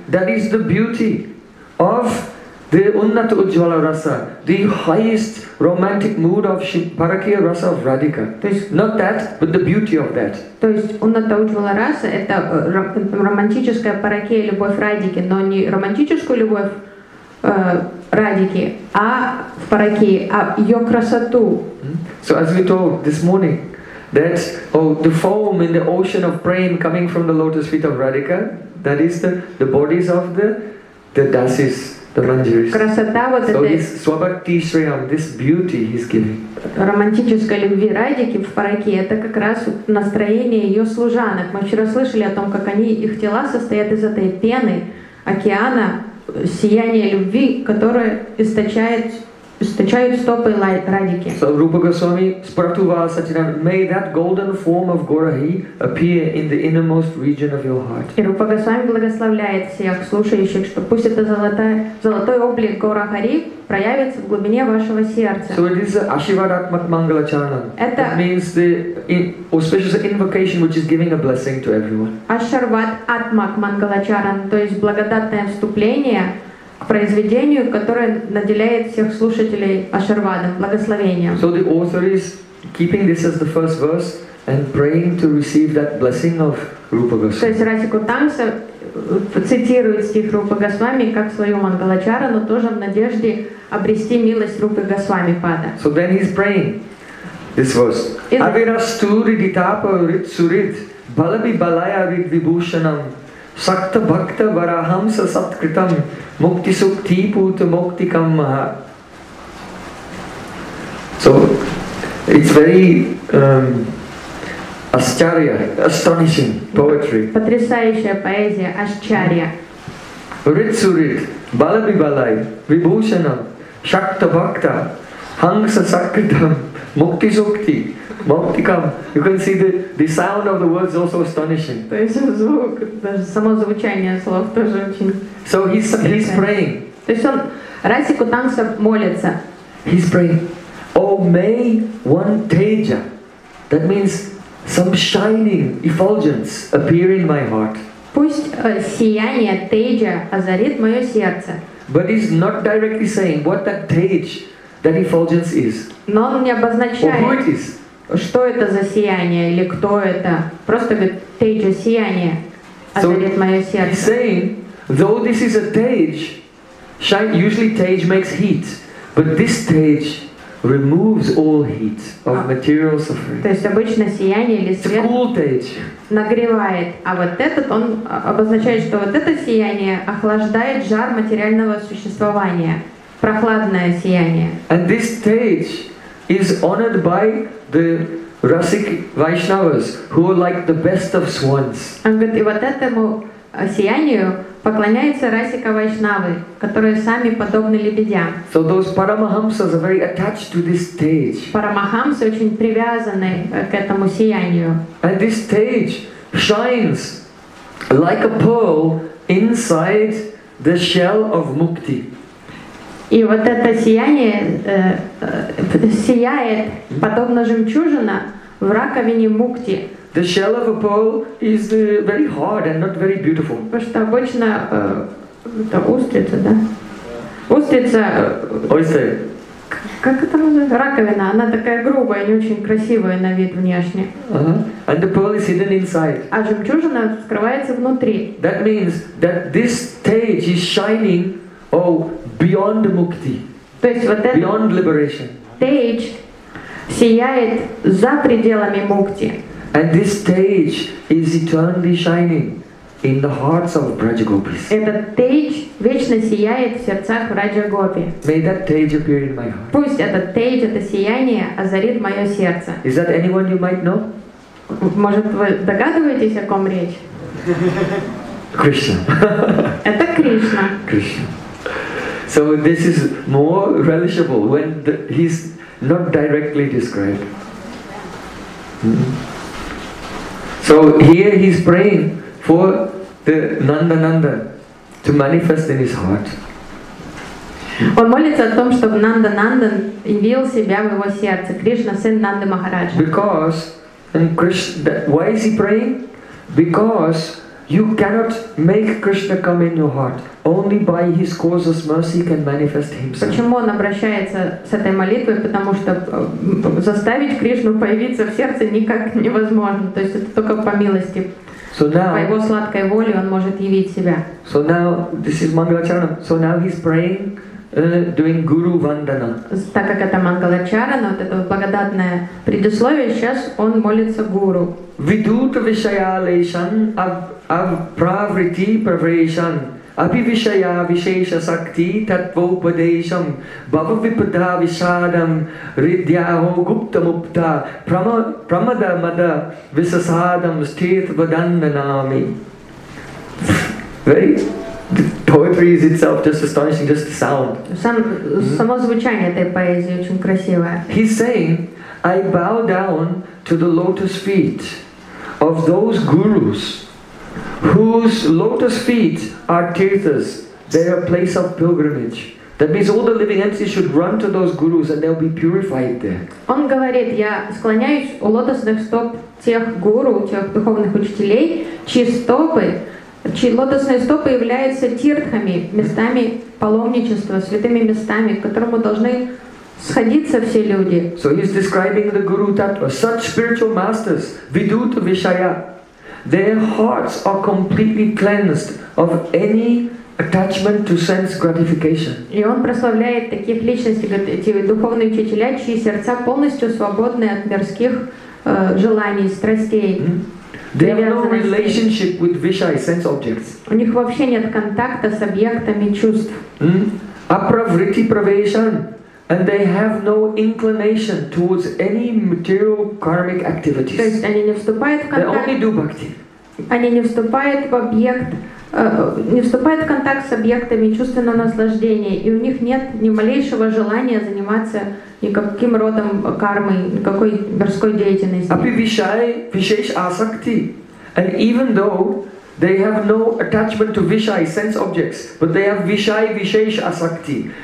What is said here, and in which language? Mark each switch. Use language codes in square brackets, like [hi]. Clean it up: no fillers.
[en] That is the beauty of the Unnata Ujjvala Rasa, the highest romantic mood of Parakya Rasa of Radhika. [ru] То есть, [en] not that, but the beauty of that. [ru] То есть Unnata Ujjvala Rasa — это романтическая Паракия, любовь Радики, но не романтическую любовь, Радики, а в Параки, а ее красоту. [en] So as we talked this morning, that the foam in the ocean of prema coming from the lotus feet of Radhika, that is the bodies of the dasis, the manjaris. [ru] Красота вот [en] so this swabhakti shreyam, this beauty he's giving. [ru] Романтическая любви Радики в Параки, это как раз настроение ее служанок. Мы вчера слышали о том, как они их тела состоят из этой пены океана. Сияние любви, которое источает стопы Радики. [en] So Rupa Goswami Spratuvasa Chidam, may that golden form of Gorahi appear in the innermost region of your heart. [ru] И Рупа Госвами благословляет всех слушающих, что пусть это золотой облик Горахари проявится в глубине вашего сердца. [en] So it is Ashivadatmak Mangala Charanam. [ru] Это [en] means the auspicious invocation which is giving a blessing to everyone. [ru] Ашарват Атмак Мангала Чаран, то есть благодатное вступление к произведению, которое наделяет всех слушателей ашарвадом, благословением. [en] So the author is keeping this as the first verse and praying to receive that blessing of Rupa Goswami. [ru] То есть Расику Тамса цитирует стих Рупа Госвами как свою мангалачару, но тоже в надежде обрести милость Рупы Госвами Пада. [en] So then he's praying this verse. [sa] Avirasturi ditapa ritsurit balabi balaya rit vibhushanam sakta bhakta varahamsa satkritam Mukti sukti puta mukti kamma. [en] So it's very ascharya, astonishing poetry. [ru] Потрясающая поэзия, ascharya. [sa] Ritsurit, balabibalai, vibhushanam, shakta bhakta, hangsa sakritam, mukti sukti, mukti kam. [en] You can see the sound of the words also astonishing. [ru] То есть звук, даже само звучание слов тоже очень. [en] So he's praying. [ru] То есть он Расику Тамса молится. [en] He's praying. Oh, may one teja, that means some shining effulgence, appear in my heart. [ru] Пусть сияние теджа озарит мое сердце. [en] But he's not directly saying what that teja, that effulgence is. [ru] Но он не обозначает. [en] Or who it is. [ru] Что это за сияние или кто это? Просто говорит теджа сияние озарит мое сердце. [en] He's saying, though this is a tej, usually tej makes heat, but this tej removes all heat of material suffering. [ru] То есть обычно сияние или свет [en] cool [ru] нагревает, а вот этот он обозначает, что вот это сияние охлаждает жар материального существования, прохладное сияние. [en] And this tej is honored by the rasic Vaishnavas, who are like the best of swans. [ru] Он говорит, и вот этому сиянию поклоняются Расика Вайшнавы, которые сами подобны лебедям. [en] So those paramahamsas are very attached to this stage. [ru] Парамахамсы очень привязаны к этому сиянию. [en] And this stage shines like a pearl inside the shell of mukti. [ru] И вот это сияние сияет подобно жемчужина в раковине мукти. The shell of a pearl is very hard and not very beautiful. Потому что обычно это устрица, да? Устрица. Ойсе. Как это называется? Раковина. Она такая грубая, не очень красивая на вид внешне. [en] Uh-huh. And the pearl is hidden inside. [ru] А жемчужина скрывается внутри. [en] That means that this stage is shining, beyond mukti. [ru] То есть вот это. [en] Beyond liberation. [ru] Stage сияет за пределами мукти. [en] And this stage is eternally shining. In the hearts of Brajagopis. [ru] Этот тейдж вечно сияет в сердцах Раджа-гопи. [en] May that tejh appear in my heart. [ru] Пусть этот тейдж, это сияние озарит мое сердце. [en] Is that anyone you might know? [ru] Может, вы догадываетесь, о ком речь? Кришна. Это Кришна. Кришна. [en] So this is more relishable when he's not directly described. So here he's praying for the Nanda Nanda to manifest in his heart. [ru] Он молится о том, чтобы Нанда Нандан явил себя в его сердце. Кришна, сын Нанды Махараджа. [en] Because and Krishna, why is he praying? Because you cannot make Krishna come in your heart. Only by His causeless mercy can manifest Himself. [ru] Почему он обращается с этой молитвой? Потому что заставить Кришну появиться в сердце никак невозможно. То есть это только по милости. [en] So now, [ru] по его сладкой воле он может явить себя. [en] So now this is Mangalacharana. So now he's praying, doing Guru Vandana. [ru] Так как это Мангалачарана, вот это благодатное предисловие, сейчас он молится Гуру. [sa] Vidhuta Vishayalesan av Pravriti Pravreshan Api Vishaya Vishesha Sakti Tatvopadesham Bhava Vipada Vishadam Ridyaho Gupta Mupta Pramada Mada Visasadam Sthet Vadandanami. [en] Very. Poetry is itself just astonishing, just the sound. [ru] Само звучание этой поэзии очень красивое. [en] He's saying, I bow down to the lotus feet of those gurus whose lotus feet are tirthas, their place of pilgrimage. That means all the living entities should run to those gurus and they'll be purified there. [ru] Он говорит, я склоняюсь у лотосных стоп тех гуру, тех духовных учителей, чьи стопы, чьи лотосные стопы являются тиртхами, местами паломничества, святыми местами, к которому должны сходиться все люди. [en] So he's describing the guru tattva. Such spiritual masters, vidhuta vishaya, their hearts are completely cleansed of any attachment to sense gratification. [ru] И он прославляет таких личностей, эти духовные учителя, чьи сердца полностью свободны от мирских желаний, страстей. [en] They have no relationship with vishaya, sense objects. [ru] У них вообще нет контакта с объектами чувств. [sa] Apravriti praveshan. [en] And they have no inclination towards any material karmic activities. [ru] То есть они не вступают в контакт. [en] They only do bhakti. [ru] Они не вступают в объект, не вступают в контакт с объектами чувственного наслаждения, и у них нет ни малейшего желания заниматься никаким родом кармы, никакой мирской деятельности. [sa] Apivishay vishesh asakti, [en] and even though they have no attachment to vishai, sense objects, but they have vishai vishesh asakti.